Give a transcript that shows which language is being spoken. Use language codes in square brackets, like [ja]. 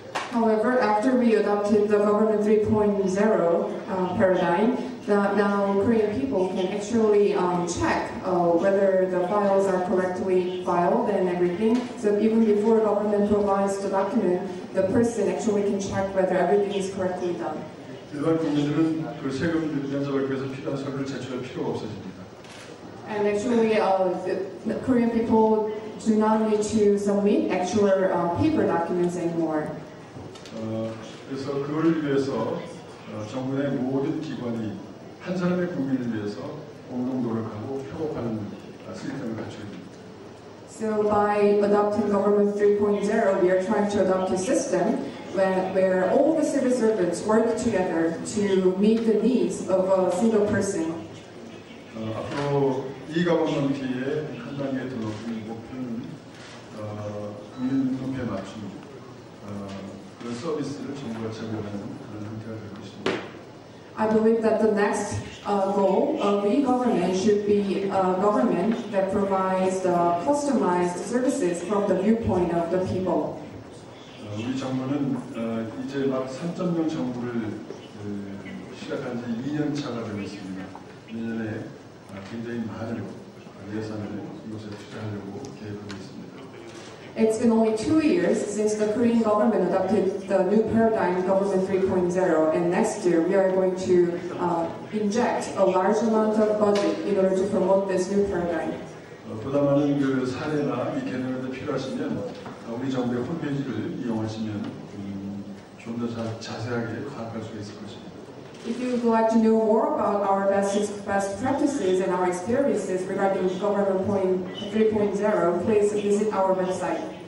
[en] However, after we adopted the government 3.0 paradigm, now Korean people can actually check whether the files are correctly filed and everything. So even before government provides the document, the person actually can check whether everything is correctly done. [ko] 일반 국민들은 그 세금 면제받기 위해서 필요한 서류를 제출할 필요가 없어집니다. [en] And actually, the Korean people do not need to submit actual paper documents anymore. [ko] 그래서 그걸 위해서 정부의 모든 기관이 한 사람의 국민을 위해서 공동 노력하고 협업하는 시스템을 갖추겠습니다. [en] So by adopting government 3.0, we are trying to adopt a system where all the civil servants work together to meet the needs of a single person. [ko] 앞으로 이 가버넌티의 한 단계 더 높은 목표는 국민 눈높이에 맞춘 그 서비스를 정부가 제공하는 그런 형태가 될 것입니다. [en] I believe that the next goal of e-government should be a government that provides the customized services from the viewpoint of the people. [ko] 우리 정부는 이제 막 3.0 정부를 시작한 지 2년 차가 되었습니다. 내년에 굉장히 많은 예산을 이곳에 투자하려고 계획하고 있습니다. [en] It's been only 2 years since the Korean government adopted the new paradigm government 3.0, and next year we are going to inject a large amount of budget in order to promote this new paradigm. [ko] 보다 많은 그 사례나 이 개념에도 필요하시면 우리 정부의 홈페이지를 이용하시면 좀 더 자세하게 파악할 수 있을 것입니다. [en] If you would like to know more about our best practices and our experiences regarding government 3.0, please visit our website.